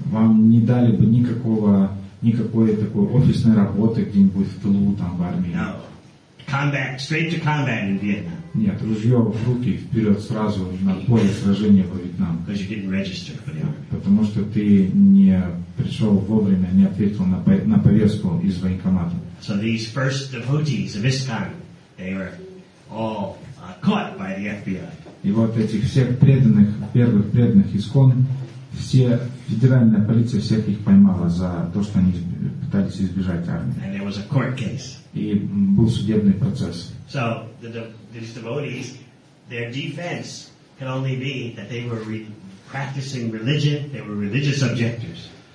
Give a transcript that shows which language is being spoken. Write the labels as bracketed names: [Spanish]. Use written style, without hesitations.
[Russian] Вам не дали бы никакой такой офисной работы где-нибудь в тылу, там, в армии. [English] No. Combat, straight to combat in Vietnam. [Russian] Нет, ружье в руки, вперед сразу на поле сражения во Вьетнам. [English] Because you didn't register for the army. [Russian] Потому что ты не пришел вовремя, не ответил на повестку из военкомата. [English] So these first devotees of ISKCON, they were all caught by the FBI. [Russian] И вот этих всех преданных, первых преданных ISKCON, все федеральная полиция всех их поймала за то, что они пытались избежать армии. [English] And there was a court case. [Russian] И был судебный процесс. [English] So these devotees, their defense can only be that they were practicing religion, they were religious objectors.